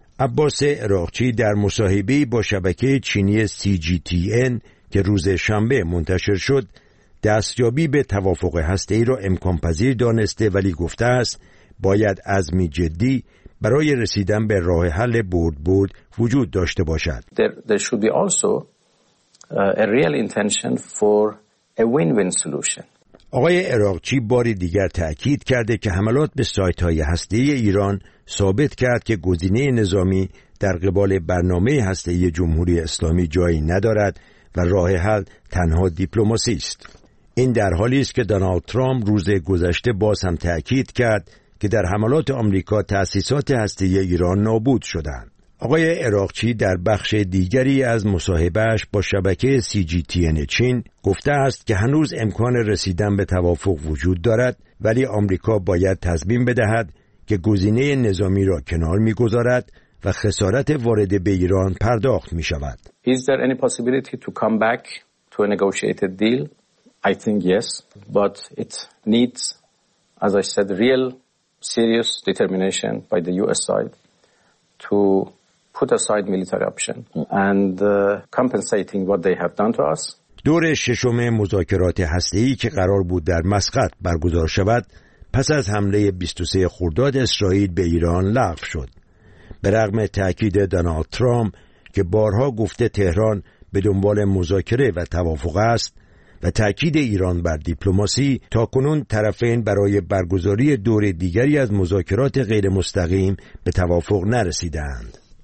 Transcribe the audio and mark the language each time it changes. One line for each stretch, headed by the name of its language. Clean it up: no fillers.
Persian: عباس عراقچی در مصاحبه‌ای با شبکه چینی CGTN که روز شنبه منتشر شد، دستیابی به توافق هسته‌ای را امکان‌پذیر دانسته ولی گفته است باید عزمی جدی برای رسیدن به راه حل برد برد وجود داشته باشد.
English: There should be also a real intention for a win-win solution.
Persian: آقای عراقچی بار دیگر تأکید کرده که حملات به سایت‌های هسته‌ای ایران ثابت کرد که گزینه نظامی در قبال برنامه هسته‌ای جمهوری اسلامی جایی ندارد و راه حل تنها دیپلماسی است. این در حالی است که دونالد ترامپ روز گذشته باز هم تأکید کرد که در حملات آمریکا تأسیسات هسته‌ای ایران نابود شدند. آقای عراقچی در بخش دیگری از مصاحبه‌اش با شبکه CGTN چین گفته است که هنوز امکان رسیدن به توافق وجود دارد، ولی آمریکا باید تضمین بدهد که گزینه نظامی را کنار می‌گذارد و خسارت وارد به ایران پرداخت می‌شود.
English: Is there any possibility to come back to a negotiated deal? I think yes, but it needs, as I said, real serious determination by the US side to put aside military option and compensating what they have done to us.
Persian: دور 6 مذاکرات هسته‌ای که قرار بود در مسقط برگزار شود پس از حمله 23 خرداد اسرائیل به ایران لغو شد. به رغم تاکید دونالد ترامپ که بارها گفته تهران به دنبال مذاکره و توافق است و تأکید ایران بر دیپلماسی، تا کنون طرفین برای برگزاری دور دیگری از مذاکرات غیر مستقیم به توافق نرسیدند.